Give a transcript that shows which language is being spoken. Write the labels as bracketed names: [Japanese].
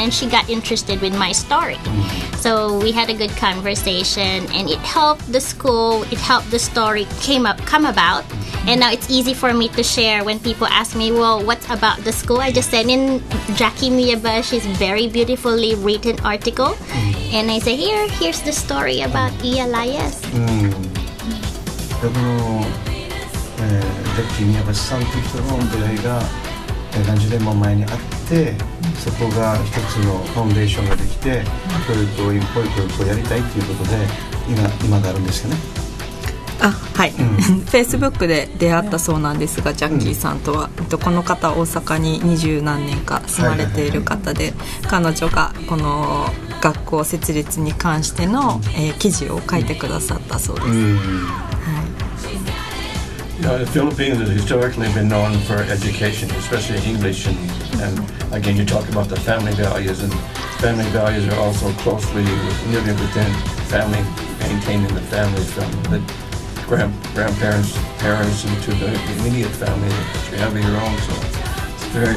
[English] And she got interested with my story. So we had a good conversation, and it helped the school, it helped the story come about. And now it's easy for me to share when people ask me, well, what's about the school? I just send in Jackie Miyabashi's very beautifully written article. And I say, here's the story about ELIS. [Japanese] でこの、デッキミヤバシさんという人の出会いが、何十年も前にあって、そこが一つのファウンデーションができて、カトリックをインポイントをやりたいということで 今があるんですよね。あ、はい、うん、Facebook で出会ったそうなんですが、ジャッキーさんとは、うん、この方大阪に二十何年か住まれている方で、はいはいはい、彼女がこの学校設立に関しての、記事を書いてくださったそうです、うん、 [English] The Philippines has historically been known for education, especially English, and again, you talk about the family values, and family values are also closely living within family, maintaining the family from the grandparents, parents, and to the immediate family that you have of your own.